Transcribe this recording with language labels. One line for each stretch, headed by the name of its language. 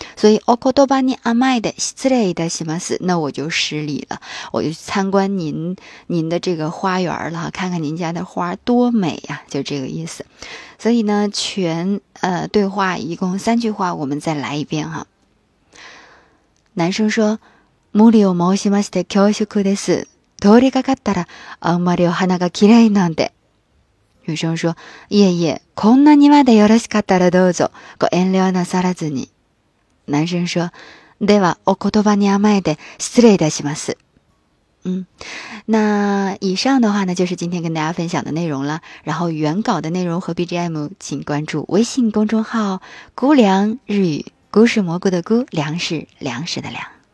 Chinese: 所以
Japanese: お言葉に甘えて失礼いたします，
Chinese: 那我就失礼了，我就参观您的这个花园了，看看您家的花多美呀，就这个意思。所以呢，全对话一共三句话，我们再来一遍哈。男生说：“
Japanese: 無理を申しまして恐縮です。通りかかったらあんまりお花が綺麗なんで。”
Chinese: 女生说：“
Japanese: いえいえ、こんなにまでよろしかったらどうぞ、ご遠慮なさらずに。”
Chinese: 男生说：“
Japanese: では、お言葉に甘えて失礼いたします。”
Chinese: 那以上的话呢，就是今天跟大家分享的内容了。然后原稿的内容和 BGM， 请关注微信公众号“菇凉日语”，菇是蘑菇的菇，凉是粮食的凉。